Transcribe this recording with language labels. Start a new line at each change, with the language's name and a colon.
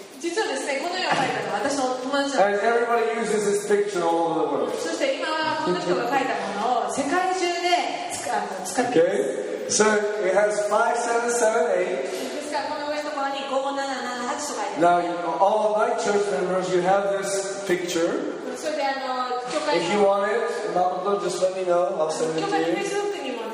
Japanese: 実はですね、このような絵だと私の友達
English: And everybody uses this picture all over the world.
Japanese: そして今はこの人が描いたものを世界中で使っています。
English: Okay. So it has 5778.
Japanese: ですからこの上のところに5778と書いてある。
English: Now, you know, all of my church members, you have this picture. If you want it, just let me know. I'll send it to you.